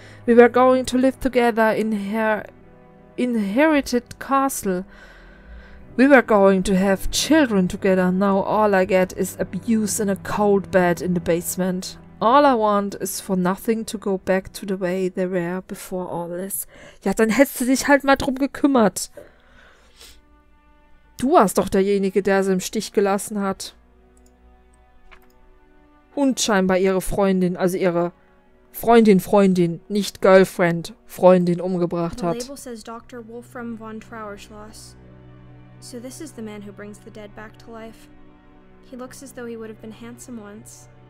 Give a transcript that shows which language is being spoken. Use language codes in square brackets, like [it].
[en] We were going to live together in her inherited castle. We were going to have children together. Now all I get is abuse and a cold bed in the basement. All I want is for nothing to go back to the way they were before all this. [de] Ja, dann hättest du dich halt mal drum gekümmert. Du warst doch derjenige, der sie im Stich gelassen hat. Und scheinbar ihre Freundin, also ihre Freundin, nicht Girlfriend, Freundin umgebracht hat. [en] The label says Dr. Wolfram von Trauerschloss. So this is the man who brings the dead back to life. He looks as though he would have been handsome once.